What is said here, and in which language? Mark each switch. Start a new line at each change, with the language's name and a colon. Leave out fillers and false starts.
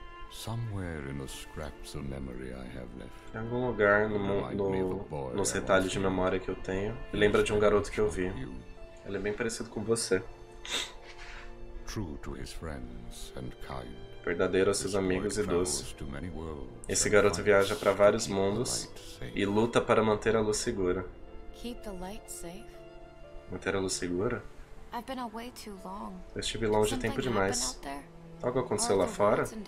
English: Somewhere in the scraps of memory I have left.
Portuguese: Em algum lugar nos retalhos de memória que eu tenho, lembra de um garoto que eu vi. Ele é bem parecido com você.
English: True to his friends and kind.
Portuguese: Verdadeiro aos seus amigos e doce. Esse garoto viaja para vários mundos e luta para manter a luz segura.
English: Keep the light safe.
Portuguese: Manter a luz segura?
English: I've been away too long.
Portuguese: Eu estive longe tempo demais. Algo aconteceu lá fora?